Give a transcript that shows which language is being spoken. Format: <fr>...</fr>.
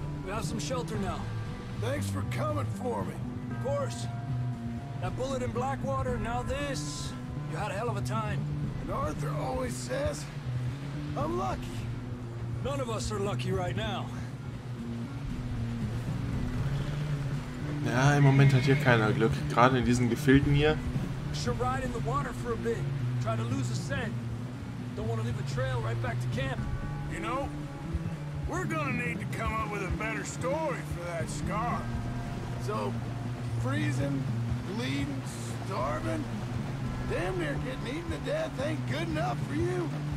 <en>We have some shelter now. Thanks for coming for me. Of course. That bullet in Blackwater, now this. You had a hell of a time. And Arthur always says, I'm lucky. None of us are lucky right now.</en> <de>Ja, im Moment hat hier keiner Glück. Gerade in diesen Gefilden hier.</de> <en>We should ride in the water for a bit. Try to lose a scent. Don't want to leave a trail right back to camp. You know, we're gonna need to come up with a better story for that scar. So, freezing, bleeding, starving, damn near getting eaten to death ain't good enough for you.</en>